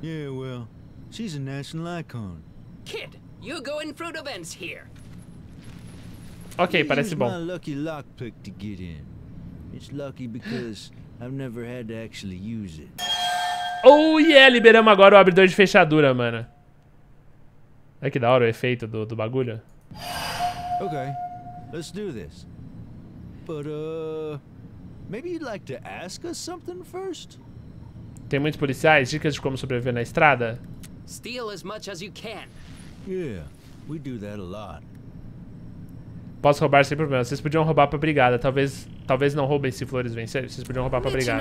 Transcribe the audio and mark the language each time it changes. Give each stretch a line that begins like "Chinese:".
English: Yeah, well, she's a national icon. Kid. You go in front of Vince here.
Portuguese: Okay, parece bom.
English: It's my lucky lockpick to get in. It's lucky because I've never had to actually use it.
Portuguese: Oh yeah, liberamos agora o abridor de fechadura, mano. É que da hora o efeito do bagulho.
English: Okay, let's do this. But maybe you'd like to ask us something first?
Portuguese: Tem muitos policiais? Dicas de como sobreviver na estrada?
English: Steal as much as you can. Yeah, we do that a lot.
Portuguese: Posso roubar sem problema. Vocês podiam roubar pra brigada. Talvez não roubem se Flores vencer. Vocês podiam roubar pra brigada.